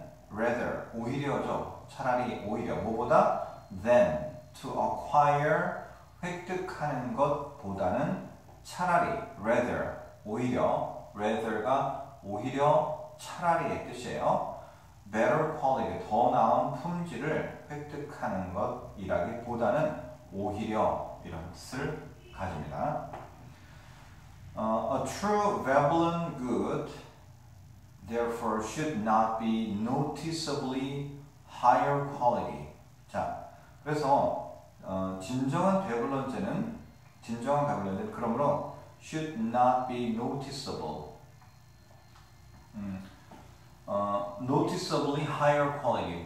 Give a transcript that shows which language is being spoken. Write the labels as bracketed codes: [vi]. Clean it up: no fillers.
[ko] rather 오히려죠. 차라리 오히려 뭐보다 [en] than to acquire [ko] 획득하는 것보다는 차라리 rather 오히려 rather가 오히려 차라리의 뜻이에요. [en] better quality [ko] 더 나은 품질을 획득하는 것이라기보다는 오히려 이런 뜻을 가집니다. [en] A true Babylon good therefore should not be noticeably higher quality. [ko] 자, 그래서 진정한 베블런제는 그러므로 [en] should not be noticeable. noticeably higher quality.